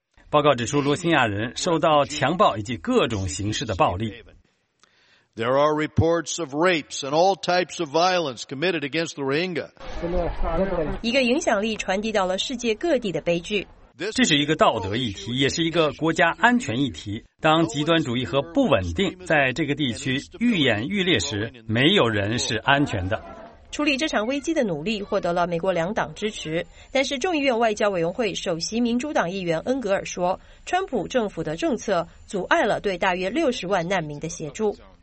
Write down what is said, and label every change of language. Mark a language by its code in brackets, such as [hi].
[zh] 报告指出，罗兴亚人受到强暴以及各种形式的暴力。 [en] There are reports of rapes and all types of violence committed against the Rohingya. [zh] 一个影响力传递到了世界各地的悲剧。这是一个道德议题，也是一个国家安全议题。当极端主义和不稳定在这个地区愈演愈烈时，没有人是安全的。处理这场危机的努力获得了美国两党支持，但是众议院外交委员会首席民主党议员恩格尔说，川普政府的政策阻碍了对大约60万难民的协助。